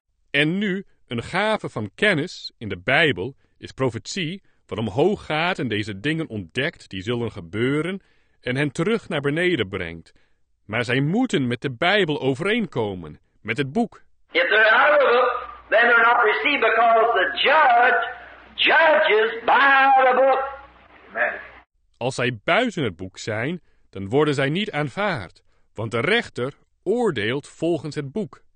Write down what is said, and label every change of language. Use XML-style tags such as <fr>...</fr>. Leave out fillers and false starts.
<nl>En nu, een gave van kennis in de Bijbel is profetie, wat omhoog gaat en deze dingen ontdekt die zullen gebeuren en hen terug naar beneden brengt. Maar zij moeten met de Bijbel overeenkomen, met het boek.</nl> <en>If they're out of the book, then they're not received because the judge judges by the book.</en> <nl>Als zij buiten het boek zijn, dan worden zij niet aanvaard, want de rechter oordeelt volgens het boek.</nl>